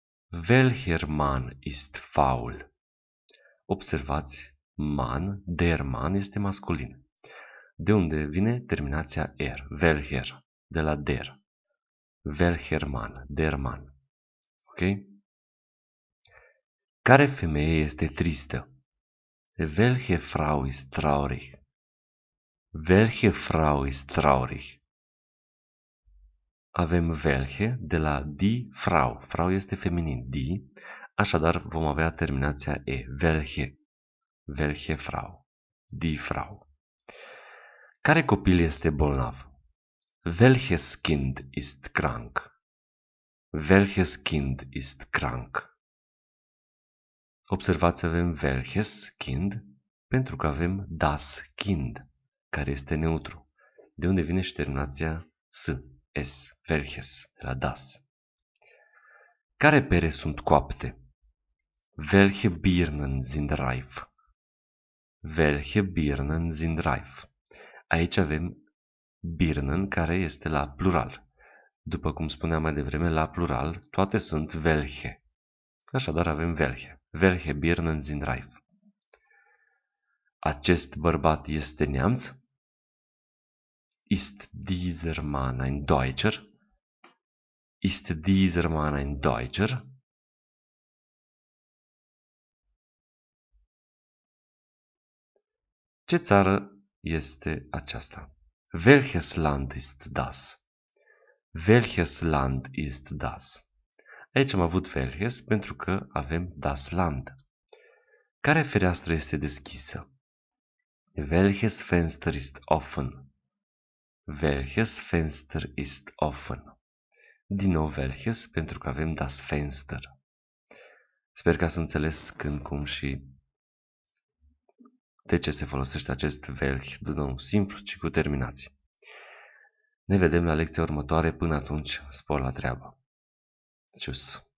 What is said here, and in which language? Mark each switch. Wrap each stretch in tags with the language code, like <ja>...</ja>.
<de>Welcher Mann ist faul?</de> <ro>Observați,</ro> <de>man, der Mann</de> <ro>este masculin. De unde vine terminația er? Welcher, de la der.</ro> <de>Welcher Mann, der Mann. Ok?</de> <ro>Care femeie este tristă?</ro> <de>Welche Frau ist traurig? Welche Frau ist traurig?</de> <ro>Avem welche de la die Frau. Frau este feminin, die. Așadar vom avea terminația e.</ro> <de>Welche. Welche Frau. Die Frau.</de> <ro>Care copil este bolnav?</ro> <de>Welches Kind ist krank? Welches Kind ist krank?</de> <ro>Observați, avem welches kind pentru că avem das kind, care este neutru. De unde vine și terminația s, s, welches, la das. Care pere sunt coapte?</ro> <de>Welche Birnen sind reif? Welche Birnen sind reif?</de> <ro>Aici avem Birnen, care este la plural. După cum spuneam mai devreme, la plural toate sunt welche. Așadar avem welche.</ro> <de>Welche Birnen sind reif?</de> <ro>Acest bărbat este neamț?</ro> <de>Ist dieser Mann ein Deutscher? Ist dieser Mann ein Deutscher?</de> <ro>Ce țară este aceasta?</ro> <de>Welches Land ist das? Welches Land ist das?</de> <ro>Aici am avut welches pentru că avem das Land. Care fereastră este deschisă?</ro> <de>Welches Fenster ist offen? Welches Fenster ist offen?</de> <ro>Din nou welches pentru că avem das Fenster. Sper că ați înțeles când, cum și de ce se folosește acest welch, din nou simplu, ci cu terminații. Ne vedem la lecția următoare. Până atunci, spor la treabă. Tschüss.</ro>